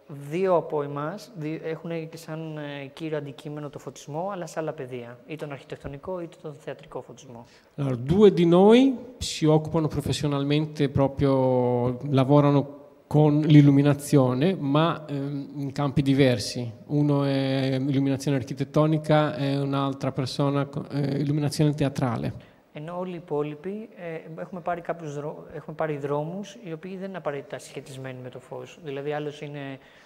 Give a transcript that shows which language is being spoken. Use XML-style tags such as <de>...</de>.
<el>Δύο από εμάς έχουν και σαν κύριο αντικείμενο το φωτισμό, αλλά σε άλλα πεδία, είτε τον αρχιτεκτονικό είτε τον θεατρικό φωτισμό.</el> <it>Allora, due di noi si occupano professionalmente, proprio lavorano con l'illuminazione, ma in campi diversi. Uno è illuminazione architettonica e un'altra persona illuminazione teatrale.</it> <el>Ενώ όλοι οι υπόλοιποι έχουμε πάρει δρόμους οι οποίοι δεν είναι απαραίτητα σχετισμένοι με το φως. Δηλαδή, άλλος είναι</el>